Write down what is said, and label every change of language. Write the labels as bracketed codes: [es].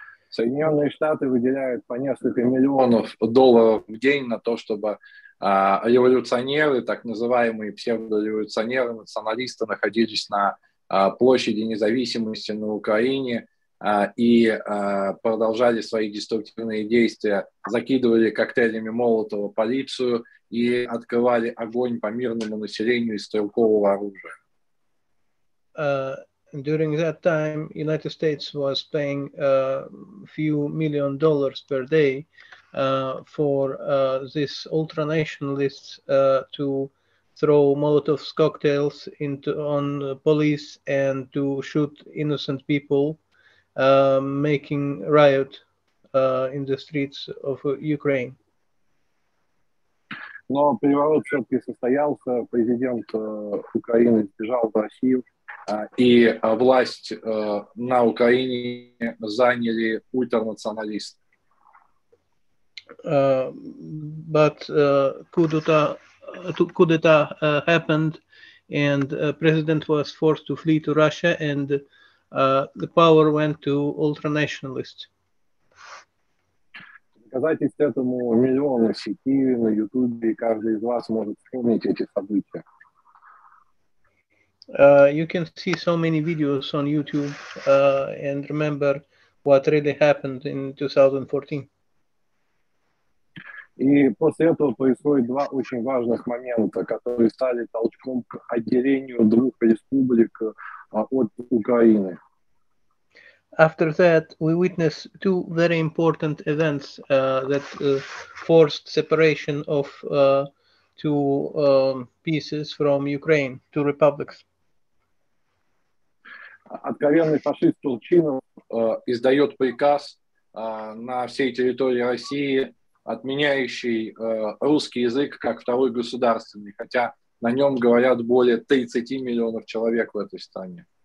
[ru] Соединенные Штаты выделяют по несколько миллионов долларов в день на то, чтобы революционеры, так называемые псевдореволюционеры, националисты находились на площади независимости на Украине и продолжали свои деструктивные действия, закидывали коктейлями Молотова полицию и открывали огонь по мирному населению из стрелкового оружия. [en] During that time, United States was paying a few million dollars per day for these ultra-nationalists to throw Molotov cocktails on the police and to shoot innocent people, making riot in the streets of Ukraine. [ru] Но переворот все-таки состоялся. Президент Украины сбежал в Россию. И власть на Украине заняли ультранационалисты. [en] But coup d'état happened, and president was forced to flee to Russia, and the power went to ultranationalists. [ru] Доказательств этому миллионы сети на Ютубе, и каждый из вас может вспомнить эти события. [en] You can see so many videos on YouTube and remember what really happened in 2014. [ru] И после этого происходит два очень важных момента, которые стали толчком к отделению двух республик от Украины. [en] After that, we witnessed two very important events that forced separation of two pieces from Ukraine, two republics. [ru] Откровенный фашист Толчинов издает приказ на всей территории России, отменяющий русский язык как второй государственный, хотя на нем говорят более 30 миллионов человек в этой стране.